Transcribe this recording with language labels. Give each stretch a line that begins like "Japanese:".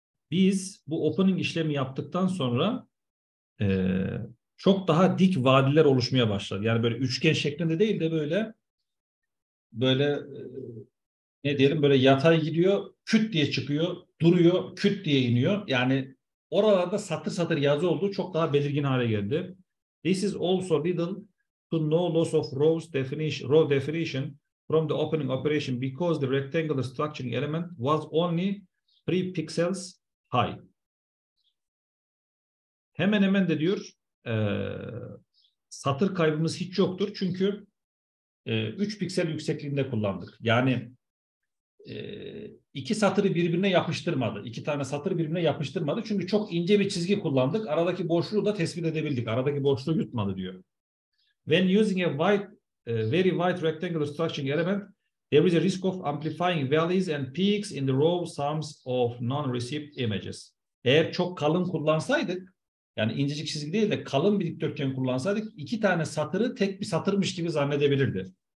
Turkish: Biz bu opening işlemi yaptıktan sonra çok daha dik vadiler oluşmaya başladı. Yani böyle üçgen şeklinde değil de böyle ne diyelim böyle yatay gidiyor, küt diye çıkıyor, duruyor, küt diye iniyor. Yani oralarda satır satır yazı olduğu çok daha belirgin hale geldi.
English: This is also leading to no loss of row definition from the opening operation because the rectangular structuring element was only 3 pixels high.
Turkish: Hemen hemen de diyor satır kaybımız hiç yoktur çünkü 3 piksel yüksekliğinde kullandık. Yani iki satırı birbirine yapıştırmadı. İki tane satırı birbirine yapıştırmadı. Çünkü çok ince bir çizgi kullandık. Aradaki boşluğu da tespit edebildik. Aradaki boşluğu yutmadı diyor.
English: When using a very wide rectangular structuring element, there is a risk of amplifying valleys and peaks in the raw sums of non-received images.
Turkish: Eğer çok kalın kullansaydık, yani incecik çizgi değil de kalın bir dikdörtgen kullansaydık, iki tane satırı tek bir satırmış gibi zannedebilirdi.